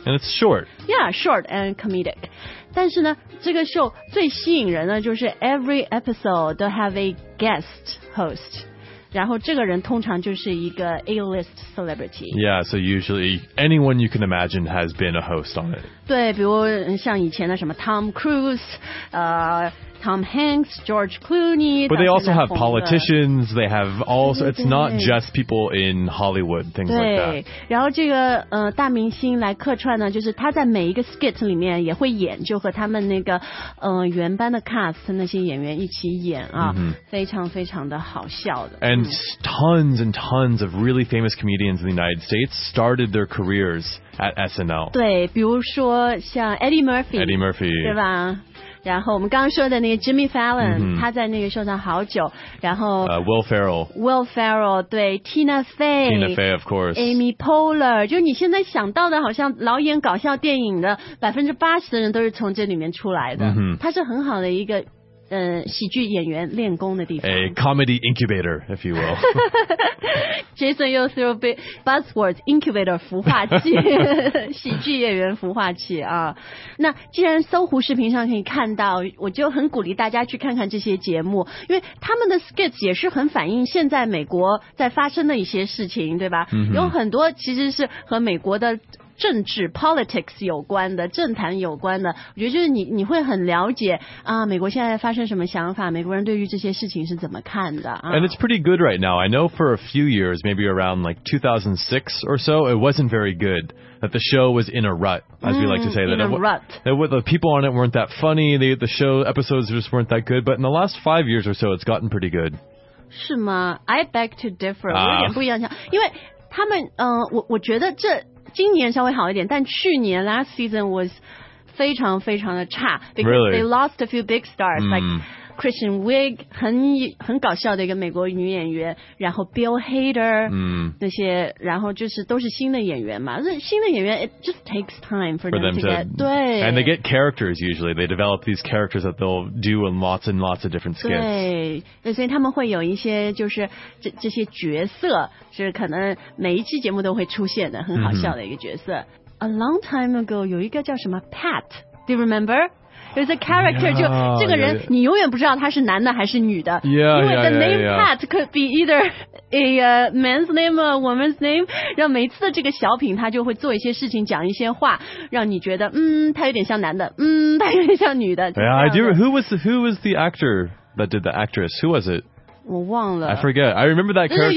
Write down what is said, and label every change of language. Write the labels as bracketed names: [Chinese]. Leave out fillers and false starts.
[English] and it's short yeah short and comedic [Chinese] 但是呢这个 show 最吸引人的就是 [English] every episode they have a guest host [Chinese] 然后这个人通常就是一个 [English] A-list celebrity. Yeah, so usually anyone you can imagine has been a host on it. [Chinese] 对，比如像以前的什么 Tom Cruise, Tom Hanks, George Clooney. [English] But they also have politicians. They have also, it's not just people in Hollywood, things like that. [Chinese] 对，然后这个大明星来客串呢，就是他在每一个 skit 里面也会演，就和他们那个原班的 cast 那些演员一起演啊，非常非常的好笑的。 [English] And tons and tons of really famous comedians in the United States started their careers at SNL. [Chinese] 对，比如说像 Eddie Murphy, 对吧？然后我们刚刚说的那个 Jimmy Fallon、他在那个秀上好久然后、 [English] Will Ferrell [Chinese] 对 Tina Fey [English] of course [Chinese] Amy Poehler 就你现在想到的好像老演搞笑电影的 80% 的人都是从这里面出来的、他是很好的一个喜剧演员练功的地方 [English] A comedy incubator if you will [Chinese] Jason 又 [English] threw buzzwords incubator [Chinese] 孵化器喜剧演员孵化器啊。那既然搜狐视频上可以看到我就很鼓励大家去看看这些节目因为他们的 skits 也是很反映现在美国在发生的一些事情对吧、有很多其实是和美国的政治 politics 有关的政坛有关的我觉得就是你会很了解啊美国现在发生什么想法美国人对于这些事情是怎么看的、 [English] And it's pretty good right now. I know for a few years, maybe around like 2006 or so, it wasn't very good. That the show was in a rut, as we like to say. The people on it weren't that funny. The show episodes just weren't that good. But in the last 5 years or so, it's gotten pretty good. [Chinese] 是吗? [English] I beg to differ. [Chinese] 有点不一样。因为他们,我觉得这今年稍微好一点,但去年 [English] last season was [Chinese] 非常非常的差。 [English] Because really? They lost a few big stars, like... [Chinese] Kristen Wiig 很搞笑的一个美国女演员然后 Bill Hader 那些然后就是都是新的演员嘛新的演员 [English] it just takes time for them to get 对 and they get characters usually they develop these characters that they'll do in lots and lots of different skits [Chinese] 对所以他们会有一些就是 这些角色是可能每一期节目都会出现的很好笑的一个角色、 [English] A long time ago [Chinese] 有一个叫什么 Pat [English] Do you remember? There's a character, yeah, [Chinese] 就这个人 [English] yeah, [Chinese] 你永远不知道他是男的还是女的 [English] yeah, [Chinese] 因为 [English] the name yeah, yeah, Pat could be either a man's name or a woman's name [Chinese] 然后每次的这个小品他就会做一些事情讲一些话让你觉得他有点像男的他有点像女的 [English] Yeah, I do who was the actor that did the actress? Who was it? [Chinese] 我忘了 [English] I forget I remember that character